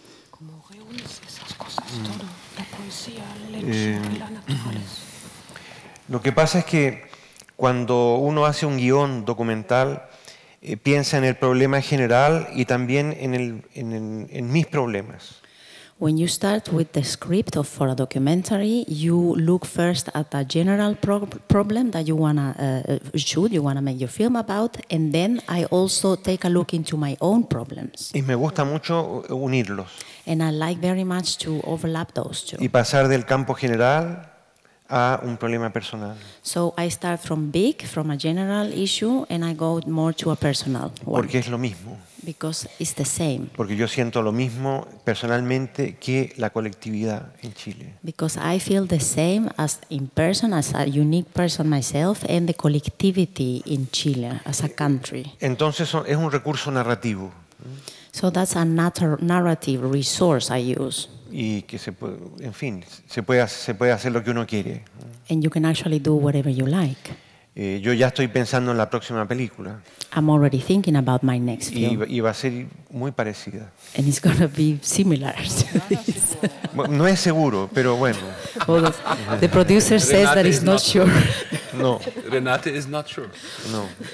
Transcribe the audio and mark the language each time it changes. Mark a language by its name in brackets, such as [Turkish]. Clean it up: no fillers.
[Spanish] ¿Cómo reúnes esas cosas todo? La poesía, el hecho y la naturaleza. Lo que pasa es que cuando uno hace un guión documental, piensa en el problema general y también en mis problemas. [English] When you start with the script for a documentary, you look first at a general problem that you want to shoot, you want to make your film about, and then I also take a look into my own problems. [Spanish] Y me gusta mucho unirlos. [English] And I like very much to overlap those two. [Spanish] Y pasar del campo general a un problema personal. [English] So I start from big, from a general issue, and I go more to a personal one. [Spanish] Porque es lo mismo. [English] Because it's the same. [Spanish] Porque yo siento lo mismo personalmente que la colectividad en Chile. [English] Because I feel the same as in person, as a unique person myself, and the collectivity in Chile as a country. [Spanish] Entonces es un recurso narrativo. [English] So that's a narrative resource I use. [Spanish] Y que se puede, en fin, se puede hacer lo que uno quiere. [English] And you can actually do whatever you like. [Spanish] Yo ya estoy pensando en la próxima película. [English] I'm already thinking about my next film. [Spanish] Y va a ser muy parecida. [English] And it's going to be similar to this. [Spanish] No es seguro, pero bueno. [English] Well, the producer says Renate that he's not sure. [Spanish] No. [English] Renate is not sure. [Spanish] No.